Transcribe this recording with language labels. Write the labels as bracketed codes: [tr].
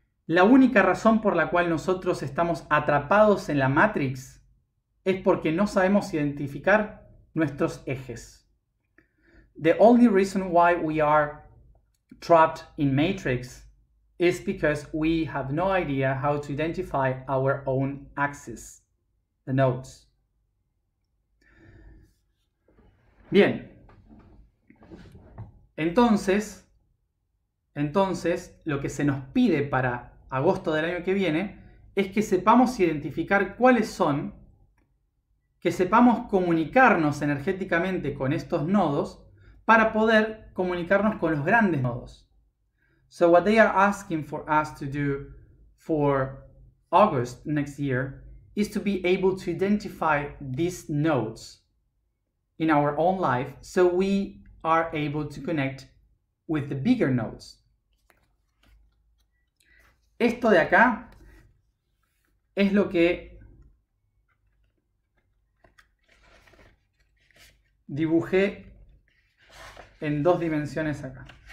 [es] La única razón por la cual nosotros estamos atrapados en la matrix es porque no sabemos identificar nuestros ejes. [en] The only reason why we are trapped in matrix is because we have no idea how to identify our own axis, the nodes. [es] Bien, entonces lo que se nos pide para agosto del año que viene es que sepamos identificar cuáles son, que sepamos comunicarnos energéticamente con estos nodos para poder comunicarnos con los grandes nodos. [en] So what they are asking for us to do for August next year is to be able to identify these nodes in our own life, so we are able to connect with the bigger nodes. [es] Esto de acá es lo que dibujé en dos dimensiones acá.